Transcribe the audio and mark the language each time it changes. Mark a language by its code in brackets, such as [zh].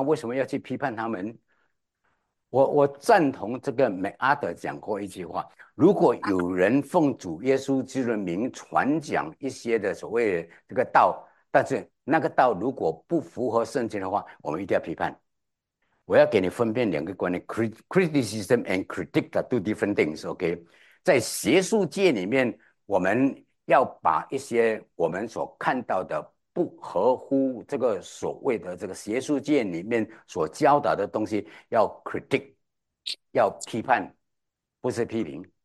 [zh] 为什么要去批判他们？我赞同这个 MacArthur 讲过一句话：如果有人奉主耶稣基督的名传讲一些的所谓的这个道，但是那个道如果不符合圣经的话，我们一定要批判。我要给你分辨两个观念： [en] criticism and critique are two different things。 OK。 [zh] 在学术界里面，我们要把一些我们所看到的不合乎这个所谓的这个学术界里面所教导的东西，要 critique，要批判，不是批评。